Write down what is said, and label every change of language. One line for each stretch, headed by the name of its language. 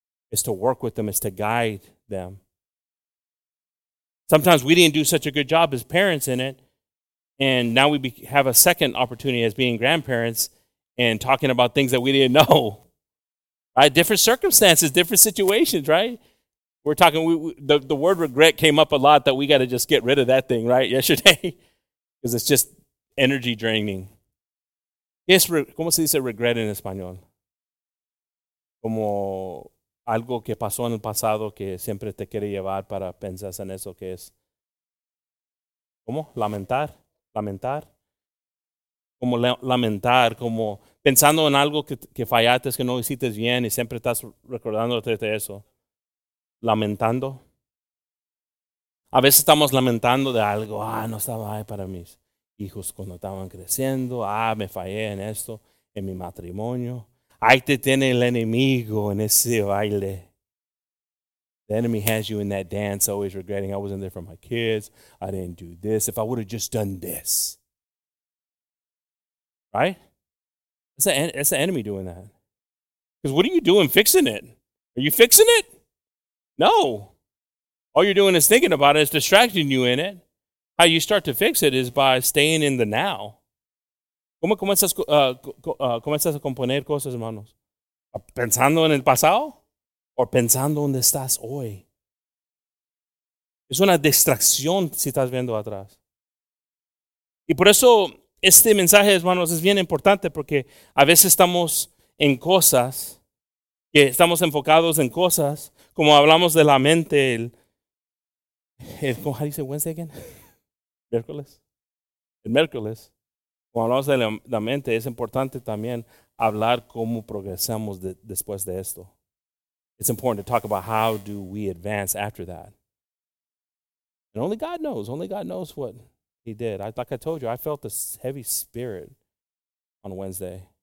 English: Is to work with them, is to guide them. Sometimes we didn't do such a good job as parents in it, and now we have a second opportunity as being grandparents and talking about things that we didn't know. Right? Different circumstances, different situations, right? We're talking, the word regret came up a lot that we got to just get rid of that thing, right, yesterday, because it's just energy draining.
Spanish: ¿Cómo se dice regret en español? Como algo que pasó en el pasado que siempre te quiere llevar para pensar en eso que es. ¿Cómo? Lamentar. Lamentar. Como lamentar, como pensando en algo que fallaste, que no hiciste bien y siempre estás recordándote de eso. Lamentando. A veces estamos lamentando de algo. Ah, no estaba ahí para mis hijos cuando estaban creciendo. Ah, me fallé en esto, en mi matrimonio. Ahí te tiene el enemigo en ese baile. The enemy has you in that dance, always regretting. I wasn't there for my kids. I didn't do this. If I would have just done this. Right? It's the enemy doing that. Because what are you doing fixing it? Are you fixing it? No. All you're doing is thinking about it. It's distracting you in it. How you start to fix it is by staying in the now. ¿Cómo comienzas a componer cosas, hermanos? ¿Pensando en el pasado? ¿O pensando dónde estás hoy? Es una distracción si estás viendo atrás. Y por eso este mensaje, hermanos, es bien importante porque a veces estamos en cosas, que estamos enfocados en cosas, como hablamos de la mente, ¿cómo se dice
English: Wednesday again?
Spanish: ¿Miércoles? El miércoles. Cuando hablamos de la mente, es importante también hablar cómo progresamos después de esto.
English: It's important to talk about how do we advance after that. And only God knows. Only God knows what he did. Like I told you, I felt this heavy spirit on Wednesday.